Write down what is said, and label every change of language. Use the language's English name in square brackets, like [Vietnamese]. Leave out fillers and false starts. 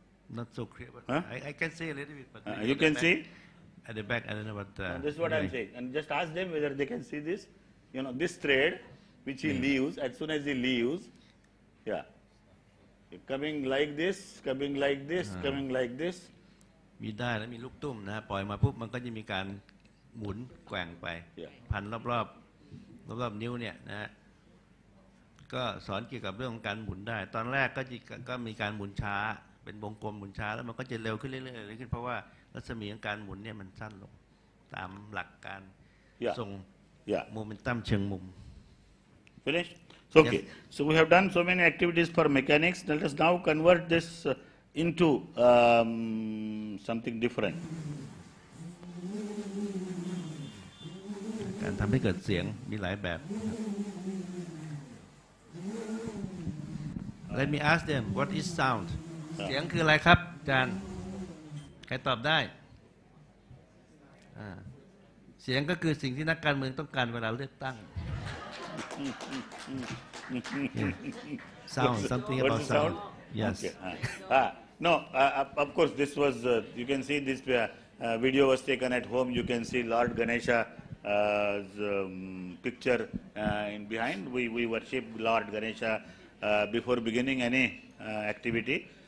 [English] Not so clear, but huh? I can see a little bit. But you can see? At the back, I don't know what. This is what I'm saying. And just ask them whether they can see this. You know, this thread, which he leaves, as soon as he leaves, coming like this. [Thai] มีได้แล้วมีลูกตุ้มนะปล่อยมาปุ๊บมันก็จะมีการหมุนแกว่งไป [English] yeah. [Thai] พันรอบๆนิ้วเนี่ยนะก็สอนเกี่ยวกับเรื่องของการหมุนได้ตอนแรกก็มีการหมุนช้าเป็นวงกลมหมุนช้าแล้วมันก็จะเร็วขึ้นเรื่อยๆเรื่อยๆเพราะว่ารัศมีของการหมุนเนี่ยมันสั้นลงตามหลักการ [English] yeah. [Thai] ส่ง [English] yeah. [Thai] โมเมนตัมเชิงมุม [English] finish so okay yes. so we have done so many activities for mechanics let us now convert this into something different [Thai] การทำให้เกิดเสียงมีหลายแบบ [English] Let me ask them what is sound [Thai] เสียงคืออะไรครับอาจารย์ใครตอบได้เสียงก็คือสิ่งที่นักการเมืองต้องการเวลาเลือกตั้ง [English] sound something about sound? Sound yes okay. No, of course, this was, you can see this video was taken at home. You can see Lord Ganesha's picture in behind. We worship Lord Ganesha before beginning any activity.